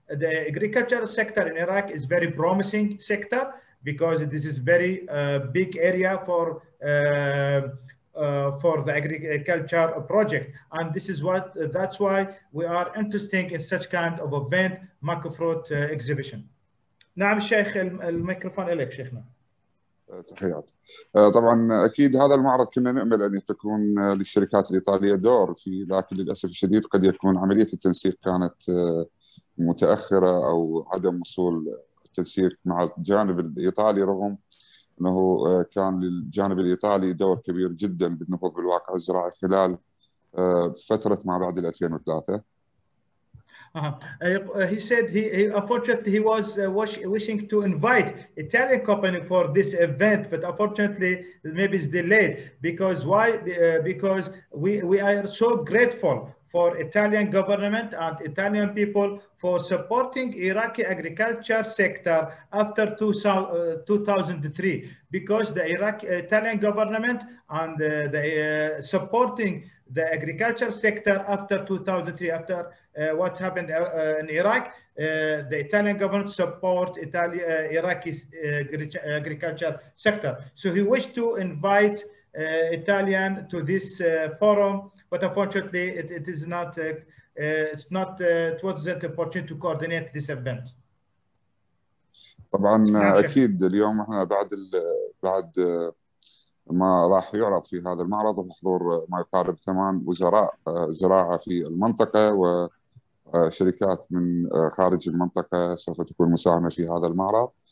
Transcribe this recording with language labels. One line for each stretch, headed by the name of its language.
English: The agriculture sector in Iraq is very promising sector, because this is very big area for the agriculture project, and this is what that's why we are interested in such kind of event, Macfrut exhibition.
Arabic: نعم شيخ الميكروفون إليك شيخنا. تحيات. طبعا أكيد هذا المعرض كنا نأمل أن تكون للشركات الإيطالية دور في, لكن للأسف الشديد قد يكون عملية التنسيق كانت متأخرة أو عدم وصول تنسيق مع الجانب الإيطالي, رغم أنه كان للجانب الإيطالي دور كبير جدا بالنهوض بالواقع الزراعي خلال فترة ما بعد 2003.
English: He said he unfortunately he was wishing to invite Italian company for this event, but unfortunately maybe it's delayed, because why? Because we are so grateful for Italian government and Italian people for supporting Iraqi agriculture sector after 2003, because the Iraqi Italian government and supporting the agriculture sector after 2003, after what happened in Iraq, the Italian government support Iraqi agriculture sector. So he wished to invite Italian to this forum, but unfortunately it is not it's not it was the opportunity to coordinate this event.
Arabic: طبعا اكيد اليوم احنا بعد ما راح يعرض في هذا المعرض حضور ما يقارب 8 وزراء زراعه في المنطقه وشركات من خارج المنطقه سوف تكون مساهمه في هذا المعرض.